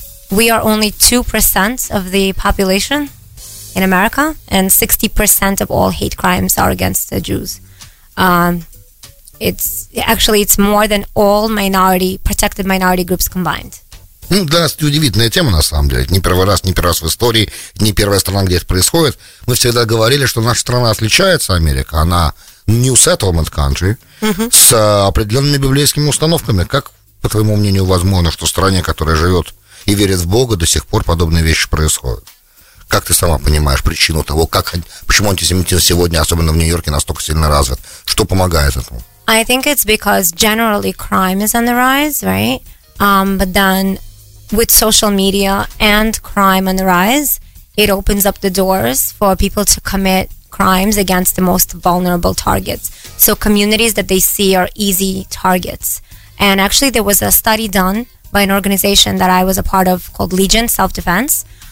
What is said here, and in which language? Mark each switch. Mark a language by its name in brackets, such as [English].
[English] We are only 2% of the population in America, and 60% of all hate crimes are against the Jews. It's more than all protected minority groups combined. [Russian] Ну, для нас это удивительная тема, на самом деле. Не первый раз в истории, не первая страна, где это происходит. Мы всегда говорили, что наша страна отличается от Америки. Она [English] New Settlement Country, [Russian] с определенными библейскими установками. Как, по твоему мнению, возможно, что в стране, которая живет и верят в Бога, до сих пор подобные вещи происходят. Как ты сама понимаешь причину того, как, почему антисемитизм сегодня, особенно в Нью-Йорке, настолько сильно развит? Что помогает этому? [English] I think it's because generally crime is on the rise, right? But then with social media and crime on the rise, it opens up the doors for people to commit crimes against the most vulnerable targets. So communities that they see are easy targets. And actually there was a study done by an organization that I was a part of called Legion Self-Defense.